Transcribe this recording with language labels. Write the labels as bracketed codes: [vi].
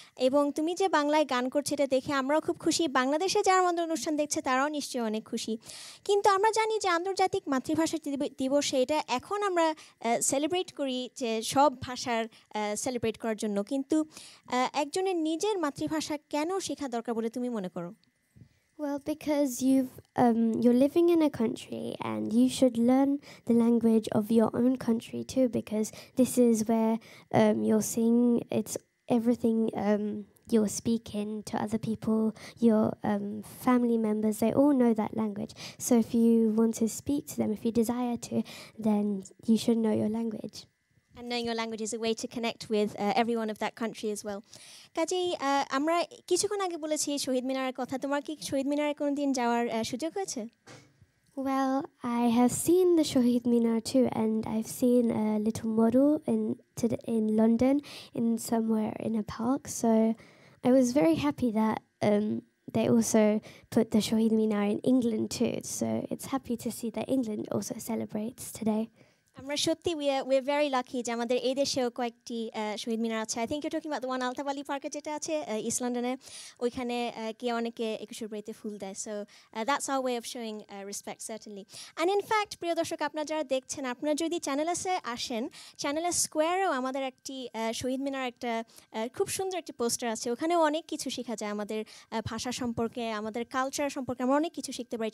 [bn] এবং তুমি যে বাংলায় গান করছো এটা দেখে আমরাও খুব খুশি, বাংলাদেশে যারা আমাদের অনুষ্ঠান দেখছে তারাও নিশ্চয়ই অনেক খুশি। কিন্তু আমরা জানি যে আন্তর্জাতিক মাতৃভাষা দিবসে এটা এখন আমরা সেলিব্রেট করি যে সব ভাষার সেলিব্রেট করার জন্য, কিন্তু একজনের নিজের মাতৃভাষা কেন শেখা দরকার? [en] Well, because you're living in a country and you should learn the language of your own country too, because this is where you're seeing it's everything you're speaking to other people, your family members, they all know that language. So if you want to speak to them, if you desire to, then you should know your language. And knowing your language is a way to connect with everyone of that country as well. [bn] কাজেই আমরা কিছুক্ষণ আগে বলেছি শহীদ মিনারের কথা, তোমার কি শহীদ মিনারে কোনো দিন যাওয়ার সুযোগ হয়েছে? [en] Well, I have seen the Shahid Minar too, and I've seen a little model in London, in somewhere in a park. So I was very happy that they also put the Shahid Minar in England too. So it's happy to see that England also celebrates today. [bn] আমরা সত্যি [en] we are very lucky [bn] যে আমাদের এই দেশেও কয়েকটি শহীদ মিনার আছে। [en] I think you talking about the one [bn] আলতাবালি পার্কে যেটা আছে ইস্ট লন্ডনে, ওইখানে কি অনেকে একুশের বইতে ফুল দেয়। [en] So that's our way of showing respect certainly. And in fact [bn] প্রিয় দর্শক, আপনারা যারা দেখছেন, আপনারা যদি চ্যানেল আসে আসেন, চ্যানেলের স্কোয়ারেও আমাদের একটি শহীদ মিনার একটা খুব সুন্দর একটি পোস্টার আছে, ওখানেও অনেক কিছু শেখা যায় আমাদের ভাষা সম্পর্কে, আমাদের কালচার সম্পর্কে আমরা অনেক কিছু শিখতে পারি।